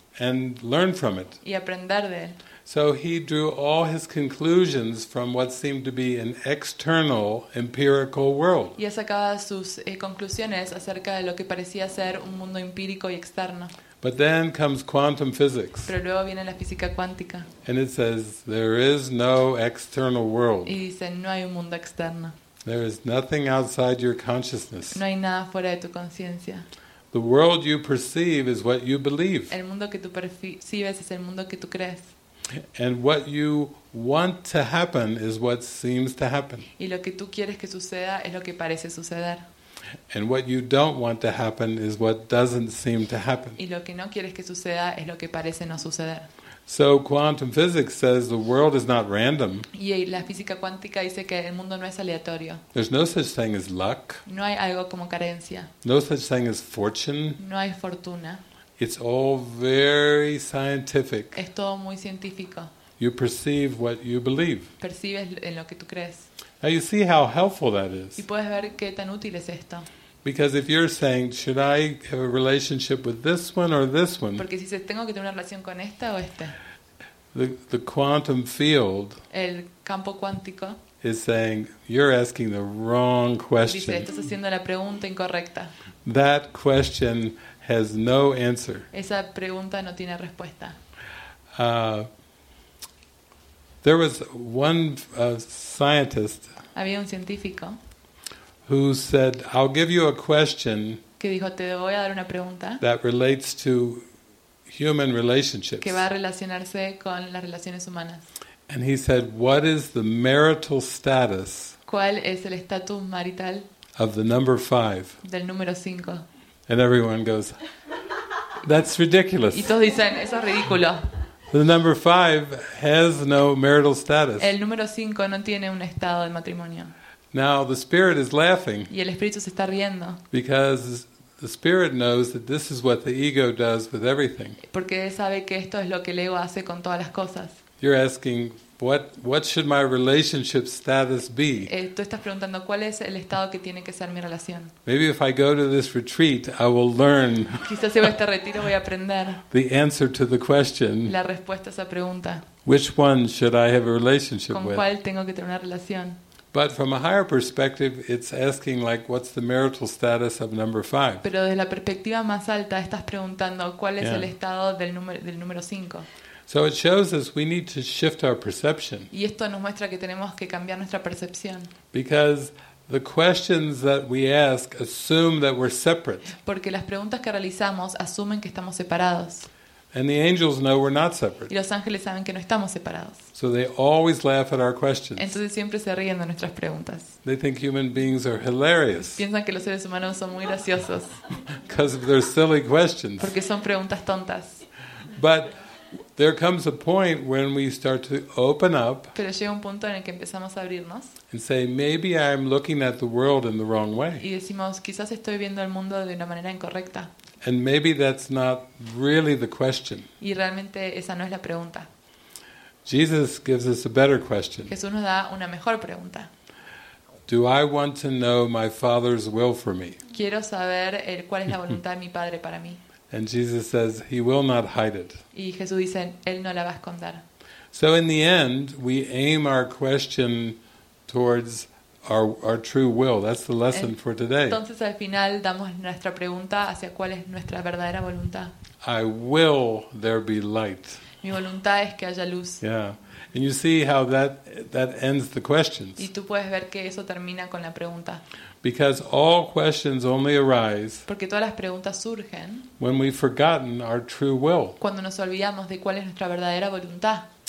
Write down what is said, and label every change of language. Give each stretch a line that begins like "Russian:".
English: And learn from it.
Spanish: Y aprender de él.
English: So he drew all his conclusions from what seemed to be an external empirical world.
Spanish: Y sacaba sus conclusiones acerca de lo que parecía ser un mundo empírico y externo.
English: But then comes quantum physics.
Spanish: Pero luego viene la física cuántica.
English: And it says there is no external world.
Spanish: Y dice no hay un mundo externo.
English: There is nothing outside your consciousness.
Spanish: No hay nada fuera de tu conciencia.
English: The world you perceive is what you believe.
Spanish: El mundo que tú percibes es el mundo que tú crees.
English: And what you want to happen is what seems to happen.
Spanish: Y lo que tú quieres que suceda es lo que parece suceder.
English: And what you don't want to happen is what doesn't seem to happen.
Spanish: Y lo que no quieres que suceda es lo que parece no suceder.
English: So quantum physics says the world is not random.
Spanish: Y la física cuántica dice que el mundo no es aleatorio.
English: There's no such thing as luck.
Spanish: No hay algo como carencia.
English: No such thing as fortune.
Spanish: No hay fortuna.
English: It's all very scientific.
Spanish: Es todo muy científico.
English: You perceive what you believe.
Spanish: Percibes en lo que tú crees.
English: Now you see how helpful that is.
Spanish: Y puedes ver qué tan útil es esto.
English: Because if you're saying, should I have a relationship with this one or this one?
Spanish: Porque si dices, tengo que tener una relación con esta o esta.
English: The quantum field.
Spanish: El campo cuántico.
English: Is saying you're asking the wrong question.
Spanish: Dice, estás haciendo la pregunta incorrecta.
English: That question has no answer.
Spanish: Esa pregunta no tiene respuesta.
English: There was one scientist.
Spanish: Había un científico.
English: Who said, "I'll give you a question."
Spanish: Que dijo, te voy a dar una pregunta.
English: That relates to human relationships.
Spanish: Que va a relacionarse con las relaciones humanas.
English: And he said, "What is the marital status?"
Spanish: ¿Cuál es el estatus marital?
English: Of the number 5.
Spanish: Del número 5.
English: And everyone goes, that's ridiculous.
Spanish: Y todos dicen, eso es ridículo.
English: The number 5 has no marital status.
Spanish: El número 5 no tiene un estado de matrimonio.
English: Now the spirit is laughing.
Spanish: Y el espíritu se está riendo.
English: Because the spirit knows that this is what the ego does with everything.
Spanish: Porque sabe que esto es lo que el ego hace con todas las cosas.
English: You're asking, what should my relationship status be?
Spanish: Tú estás preguntando cuál es el estado que tiene que ser mi relación.
English: Maybe if I go to this retreat, I will learn.
Spanish: Quizás si voy a este retiro voy a aprender.
English: The answer to the question.
Spanish: La respuesta a esa pregunta.
English: Which one should I have a relationship with?
Spanish: ¿Con cuál tengo que tener una relación?
English: But from a higher perspective, it's asking like, what's the marital status of number 5?
Spanish: Pero desde la perspectiva más alta estás preguntando cuál es el estado del número 5.
English: So it shows us we need to shift our perception.
Spanish: Y esto nos muestra que tenemos que cambiar nuestra percepción.
English: Because the questions that we ask assume that we're separate.
Spanish: Porque las preguntas que realizamos asumen que estamos separados.
English: And the angels know we're not separate.
Spanish: Y los ángeles saben que no estamos separados.
English: So they always laugh at our questions.
Spanish: Entonces siempre se ríen de nuestras preguntas.
English: They think human beings are hilarious.
Spanish: Piensan que los seres humanos son muy graciosos.
English: Because of their silly questions.
Spanish: Porque son preguntas tontas.
English: But there comes a point when we start to open up.
Spanish: Pero llega un punto en el que empezamos a abrirnos.
English: And say, maybe I'm looking at the world in the wrong way.
Spanish: Y decimos, quizás estoy viendo el mundo de una manera incorrecta.
English: And maybe that's not really the question.
Spanish: Y realmente esa no es la pregunta.
English: Jesus gives us a better question.
Spanish: Jesús nos da una mejor pregunta.
English: Do I want to know my Father's will for me?
Spanish: Quiero saber cuál es la voluntad de mi Padre para mí.
English: And Jesus says he will not hide it.
Spanish: Y Jesús dice, él no la va a esconder.
English: So in the end, we aim our question towards our true will. That's the lesson for today.
Spanish: Entonces al final damos nuestra pregunta hacia cuál es nuestra verdadera voluntad.
English: I will there be light.
Spanish: Mi voluntad es que haya luz.
English: Yeah. And you see how that ends the questions.
Spanish: Y tú puedes ver que eso termina con la pregunta.
English: Because all questions only arise.
Spanish: Porque todas las preguntas surgen.
English: When we've forgotten our true will.
Spanish: Cuando nos olvidamos de cuál es nuestra verdadera voluntad.